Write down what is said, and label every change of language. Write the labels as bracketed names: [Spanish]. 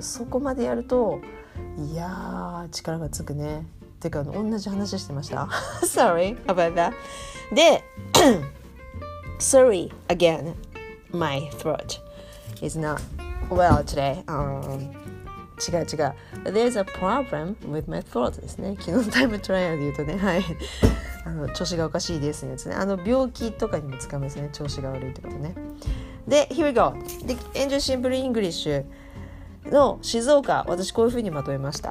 [Japanese] そこまでやると、いやー力がつくね。てか同じ話してました。 [English] Sorry about that. で、Sorry again, my throat is not well today. [Japanese] 違う違う、 [English] There's a problem with my throat [Japanese] ですね。昨日のタイムトライアルで言うとね、はい、調子がおかしいですね。病気とかにも使うんですね、調子が悪いってことね。 [English] で、Here we go. [Japanese] で、エンジョイシンプルイングリッシュの静岡、私こういう風にまとめました。